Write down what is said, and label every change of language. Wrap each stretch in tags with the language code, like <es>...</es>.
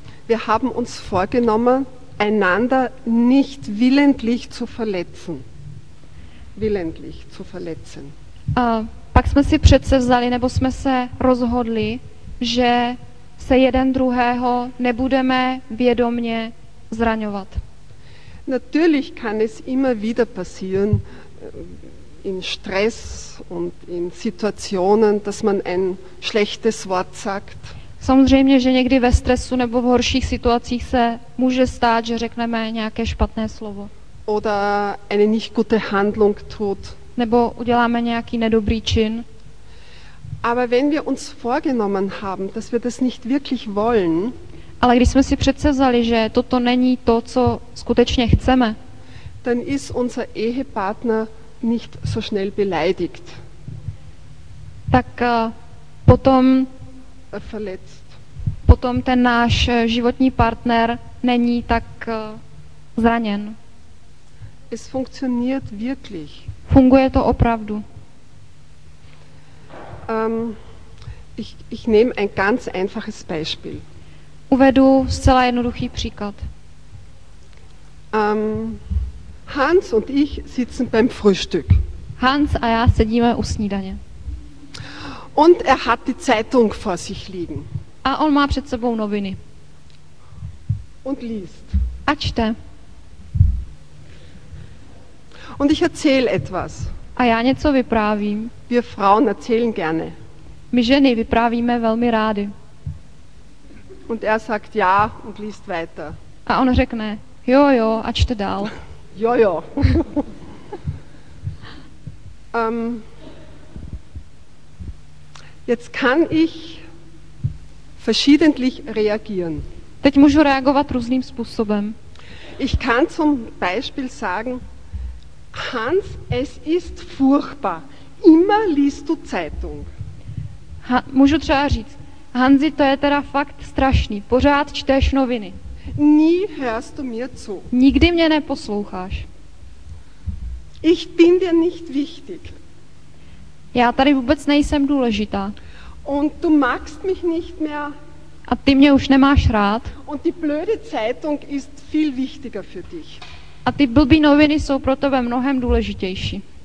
<de>Wir haben uns vorgenommen, einander nicht willentlich zu verletzen. Willentlich zu verletzen.</de> <cs>Pak jsme si předsevzali, nebo jsme se rozhodli, že se jeden druhého nebudeme vědomně zraňovat.</cs> <de>Natürlich kann es immer wieder passieren in Stress und in Situationen, dass man ein schlechtes Wort sagt.</de> <cs>Samozřejmě, že někdy ve stresu nebo v horších situacích se může stát, že řekneme nějaké špatné slovo.</cs> <de>Oder eine nicht gute Handlung tut.</de> <cs>Nebo uděláme nějaký nedobrý čin.</cs> <de>Aber wenn wir uns vorgenommen haben, dass wir das nicht wirklich wollen,</de> <cs>ale když jsme si předsevzali, že toto není to, co skutečně chceme,</cs> <de>dann ist unser Ehepartner nicht so schnell beleidigt.</de> <cs>Tak potom</cs> <de>verletzt.</de> <cs>Potom ten náš životní partner není tak zraněn.</cs> <de>Es funktioniert wirklich.</de> <cs>Funguje to opravdu.</cs> <de>Ich nehme ein ganz einfaches Beispiel.</de> <cs>Uvedu zcela jednoduchý příklad.</cs> <de>Hans und ich sitzen beim Frühstück.</de> <cs>Hans a já sedíme u snídaně.</cs> <de>Und er hat die Zeitung vor sich liegen.</de> <cs>A on má před sebou noviny.</cs> <de>Und liest.</de> <cs>A čte.</cs> <de>Und ich erzähle etwas.</de> <cs>A já něco vyprávím.</cs> <de>Wir Frauen erzählen gerne.</de> <cs>My ženy vyprávíme velmi rády.</cs> <de>Und er sagt ja und liest weiter.</de> <cs>A on řekne jo jo a čte dál. Jo jo.</cs> <de>jetzt kann ich verschiedentlich reagieren.</de> <cs>Teď můžu reagovat různým způsobem.</cs> <de>Ich kann zum Beispiel sagen: Hans, es ist furchtbar. Immer liest du Zeitung.</de> <cs>Můžu třeba říct: Hanzi, to je teda fakt strašný. Pořád čteš noviny.</cs> <de>Nie hörst du mir zu.</de> <cs>Nikdy mě neposloucháš.</cs> <de>Ich bin dir nicht wichtig.</de> <cs>Já tady vůbec nejsem důležitá.</cs> <de>Und du magst mich nicht mehr.</de> <cs>A ty mě už nemáš rád.</cs> <de>Und die blöde Zeitung ist viel wichtiger für dich.</de> <cs>A ty blbý noviny jsou pro tebe mnohem důležitější.</cs>